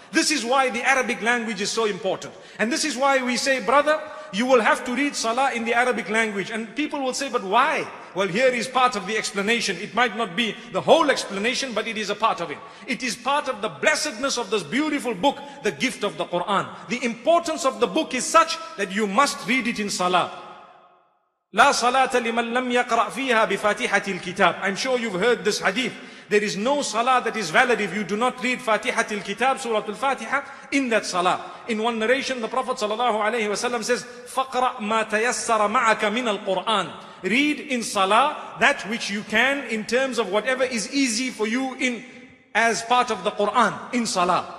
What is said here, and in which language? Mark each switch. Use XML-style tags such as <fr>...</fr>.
<en>This is why the Arabic language is so important. And this is why we say, brother, you will have to read Salah in the Arabic language. And people will say, but why? Well, here is part of the explanation. It might not be the whole explanation, but it is a part of it. It is part of the blessedness of this beautiful book, the gift of the Quran. The importance of the book is such that you must read it in Salah.</en> <ar>لا صلاة لمن لم يقرأ فيها بفاتحة الكتاب.</ar> <en>I'm sure you've heard this hadith. There is no salah that is valid if you do not read فاتحة الكتاب, Surah Al-Fatiha, in that salah. In one narration, the Prophet sallallahu alayhi wa sallam says,</en> <ar>فَقْرَأْ مَا تَيَسَّرَ مَعَكَ مِنَ الْقُرْآنِ.</ar> <en>Read in salah that which you can in terms of whatever is easy for you in as part of the Quran in salah.</en>